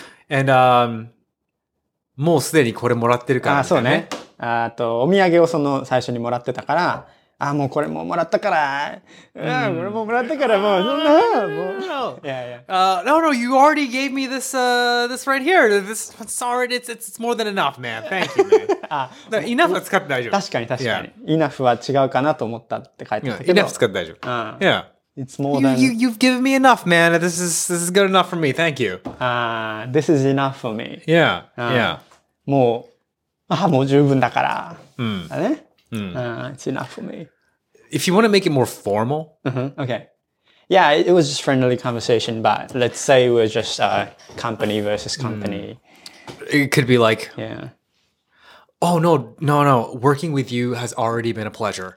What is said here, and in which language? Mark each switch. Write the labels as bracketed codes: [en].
[ja] And もうすでにこれもらってるからね。あ、そうね。あと、お土産をその最初にもらってたから、あ、もうこれももらったから、これももらったからもうそんな、もう、 [en] No, you already gave me this, this right here. This, sorry, it's more than enough, man. Thank you, man. [ja] あ、enough は使って大丈夫。確かに確かに。Yeah. enough は違うかなと思ったって書いてあったけど。 enough 使って大丈夫。Yeah. [en] It's more than. You've given me enough, man. This is good enough for me. Thank you. This is enough for me. Yeah. [ja] もう、あ、もう十分だから。うん。 [en] だね。It's enough for me. If you want to make it more formal. Mm-hmm. Okay. Yeah, it was just friendly conversation, but let's say we're just company versus company. Mm. It could be like, yeah. Oh, no. Working with you has already been a pleasure.